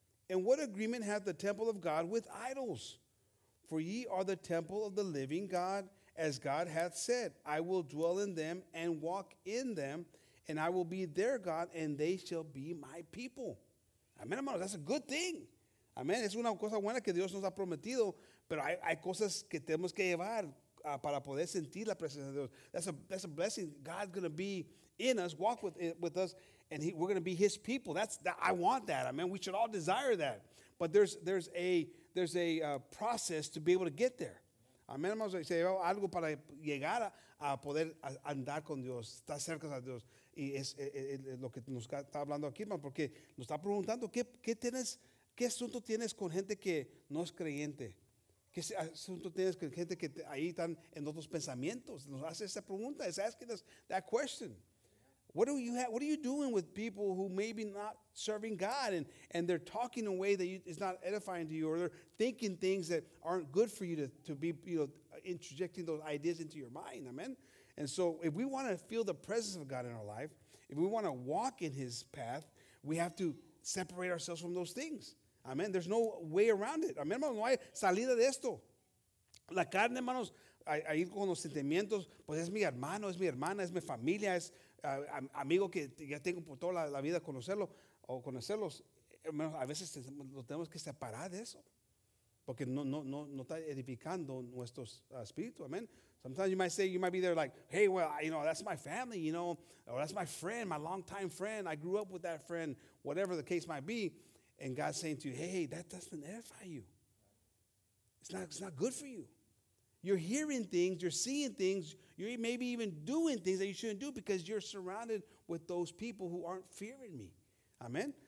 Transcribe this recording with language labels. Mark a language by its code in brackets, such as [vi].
[en] And what agreement hath the temple of God with idols? For ye are the temple of the living God, as God hath said, I will dwell in them and walk in them, and I will be their God, and they shall be my people. Amen, hermano, that's a good thing. [es] Amen, es una cosa buena que Dios nos ha prometido, pero hay cosas que tenemos que llevar para poder sentir la presencia de Dios. [en] That's a blessing. God's going to be in us, walk with us, and we're going to be his people. I want that. I mean, we should all desire that. But there's a process to be able to get there. [es] Amén, hermanos. Se lleva algo para llegar a poder andar con Dios, estar cerca de Dios. Y es lo que nos está hablando aquí, hermano, porque nos está preguntando qué asunto tienes con gente que no es creyente. ¿Qué asunto tienes con gente que ahí están en otros pensamientos? Nos hace esa pregunta. [en] It's asking us that question. What are you doing with people who maybe not serving God and they're talking in a way that is not edifying to you, or they're thinking things that aren't good for you to be, you know, interjecting those ideas into your mind? Amen. And so if we want to feel the presence of God in our life, if we want to walk in his path, we have to separate ourselves from those things. [es] Amen. [en] There's no way around it. [es] Amen, hermanos. No hay salida de esto. La carne, hermanos, a ir con los sentimientos, pues es mi hermano, es mi hermana, es mi familia, es amigo que ya tengo por toda la vida conocerlo o conocerlos. Hermanos, a veces lo tenemos que separar de eso, porque no está edificando nuestro espíritu. [en] Amen. Sometimes you might say, you might be there like, hey, well, you know, that's my family, you know, or that's my friend, my longtime friend. I grew up with that friend, whatever the case might be. And God's saying to you, hey, that doesn't edify you. It's not good for you. You're hearing things, you're seeing things, you're maybe even doing things that you shouldn't do because you're surrounded with those people who aren't fearing me. Amen?